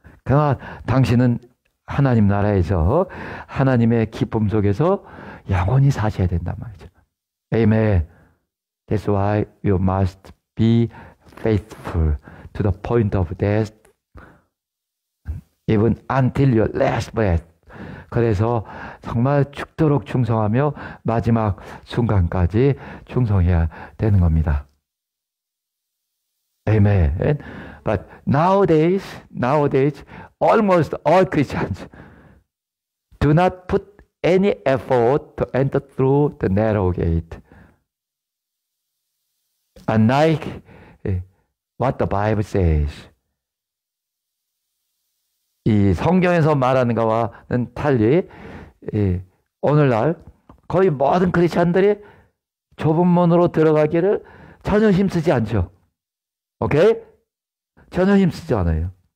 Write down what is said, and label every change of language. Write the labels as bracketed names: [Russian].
[Korean] 그러나 당신은 하나님 나라에서 하나님의 기쁨 속에서 영원히 사셔야 된단 말이죠. [English] Amen. That's why you must be faithful to the point of death, even until your last breath. [Korean] 그래서 정말 죽도록 충성하며 마지막 순간까지 충성해야 되는 겁니다. [English] Amen. But nowadays, almost all Christians do not put any effort to enter through the narrow gate. Unlike what the Bible says, [Korean] 이 성경에서 말하는 것과는 달리 오늘날 거의 모든 크리스천들이 좁은 문으로 들어가기를 전혀 힘쓰지 않죠. 오케이? 전혀 힘쓰지 않아요.